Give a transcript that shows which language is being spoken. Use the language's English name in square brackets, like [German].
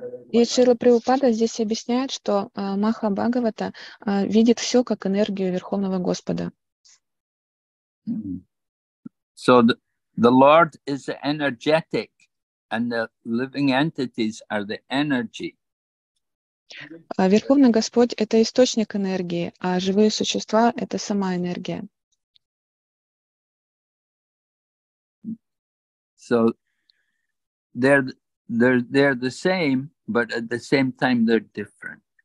[Russian] И Шрила Прабхупада здесь объясняет, что Маха Бхагавата видит все как энергию Верховного Господа. [English] So the Lord is the energetic, and the living entities are the energy. [Russian] Верховный Господь — это источник энергии, а живые существа — это сама энергия. [English] So they're the same, but at the same time they're different.